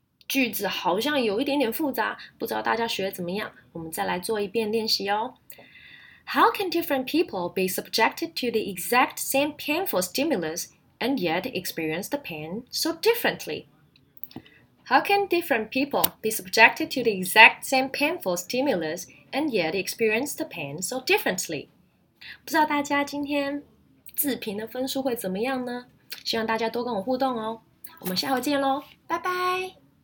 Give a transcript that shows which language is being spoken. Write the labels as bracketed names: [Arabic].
[Chinese] 句子好像有一点点复杂，不知道大家学怎么样，我们再来做一遍练习哦。 [English] How can different people be subjected to the exact same painful stimulus and yet experience the pain so differently? How can different people be subjected to the exact same painful stimulus and yet experience the pain so differently? [Chinese] 不知道大家今天自评的分数会怎么样呢？希望大家多跟我互动哦。我们下回见咯，拜拜。